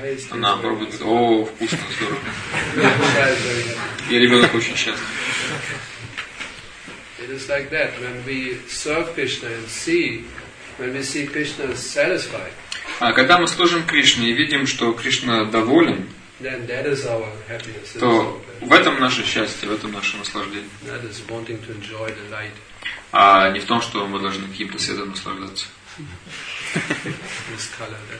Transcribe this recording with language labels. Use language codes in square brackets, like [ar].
[ru] Она пробует, о, вкусно, здорово. И ребенок очень счастлив. [en] It is like that when we serve Krishna and see. When we see Krishna satisfied. [ru] А когда мы служим Кришне и видим, что Кришна доволен, [en] then that is our happiness, [ru] то в этом наше счастье, в этом наше наслаждение. [en] That is wanting to enjoy the light. [ru] А не в том, что мы должны каким-то светом наслаждаться. [en] This color, that